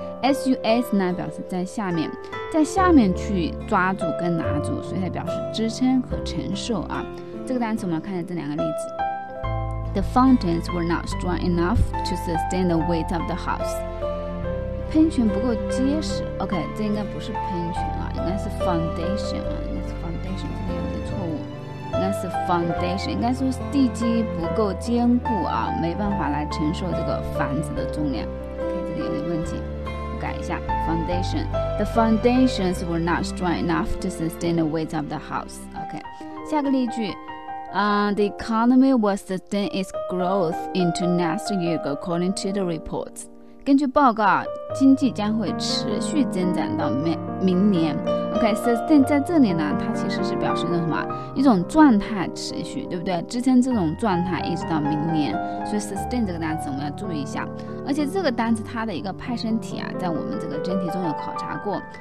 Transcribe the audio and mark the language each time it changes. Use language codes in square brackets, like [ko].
[zh] S-U-S 呢表示在下面去抓住跟拿住，所以它表示支撑和承受啊。这个单词我们要看一下这两个例子。 [en] The fountains were not strong enough to sustain the weight of the house， [zh] 喷泉不够结实。 OK， 这应该不是喷泉啊，应该是 foundation， 这个有点错误，应该是 foundation， 应该说是地基不够坚固啊，没办法来承受这个房子的重量。 OK， 这里有点问题，改一下 foundation。 [en] The foundations were not strong enough to sustain the weight of the house。 OK， [zh] 下个例句、 [en] The economy will sustain its growth into next year according to the reports。 [zh] 根据报告，经济将会持续增长到明年。 OK，sustain 在这里呢，它其实是表示的什么？一种状态持续，对不对？支撑这种状态一直到明年，所以 sustain 这个单词我们要注意一下。而且这个单词它的一个派生体啊，在我们这个真题中有考察过。